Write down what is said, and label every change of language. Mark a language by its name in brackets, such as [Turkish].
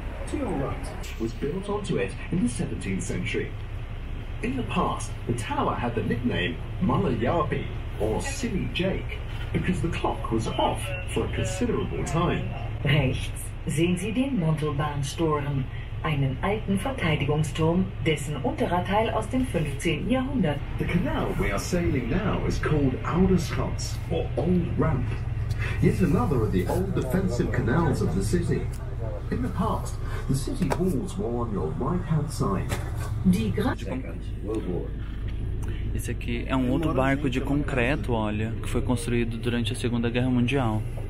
[English] To your right was built onto it in the 17th century. In the past, the tower had the nickname Mala Yabi, or Silly Jake, because the clock was off for a considerable time. [German] Rechts sehen Sie den Montelbahnsturm, einen alten Verteidigungsturm, dessen unterer Teil aus dem 15. Jahrhundert. [English] The canal we are sailing now is called Ouderschans, or Old Ramp. Yet another of the old defensive canals of the city. In the past, the city walls were on your right-hand side. [German] Die Grad. [Portuguese] Esse aqui é um outro barco de concreto, olha, que foi construído durante a Segunda Guerra Mundial.